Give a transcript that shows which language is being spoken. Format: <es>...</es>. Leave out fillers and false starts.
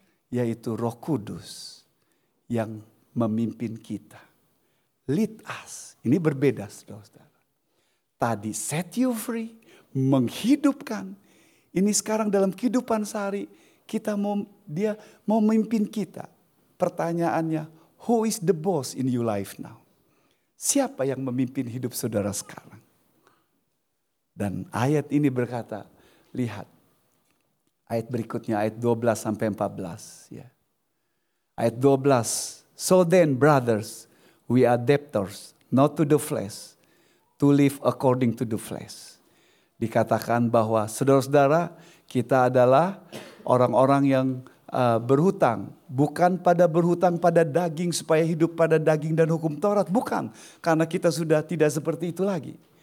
<id>Yaitu Roh Kudus yang memimpin kita.</id> <en>Lead us.</en> <id>Ini berbeda saudara-saudara. Tadi</id> <en>set you free.</en> <id>Menghidupkan. Ini sekarang dalam kehidupan sehari. Kita mau, dia mau memimpin kita. Pertanyaannya,</id> <en>who is the boss in your life now?</en> <id>Siapa yang memimpin hidup saudara sekarang? Dan ayat ini berkata, lihat. Ayat berikutnya, ayat 12-14. Ya. Ayat 12.</id> <en>So then, brothers, we are debtors, not to the flesh, to live according to the flesh.</en> <id>Dikatakan bahwa saudara-saudara, kita adalah orang-orang yang berhutang. Bukan pada berhutang pada daging supaya hidup pada daging dan hukum Taurat. Bukan, karena kita sudah tidak seperti itu lagi.</id>